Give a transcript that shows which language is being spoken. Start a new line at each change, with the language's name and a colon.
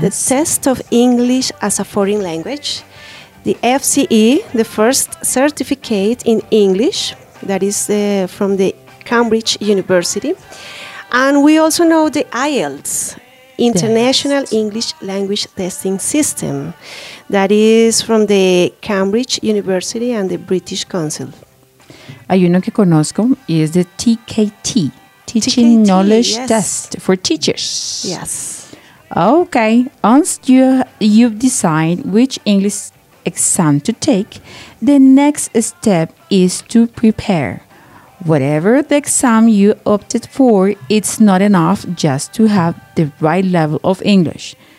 English: The test of English as a foreign language, the FCE, the first certificate in English, that is from the Cambridge University, and we also know the IELTS. International English Language Testing System, that is from the Cambridge University and the British Council.
Spanish: Hay uno que conozco y es de TKT, Teaching TKT, Knowledge yes.
English: Test for Teachers. Yes. Okay, once you've decided which English exam to take, the next step is to prepare. Whatever the exam you opted for, it's not enough just to have the right level of English.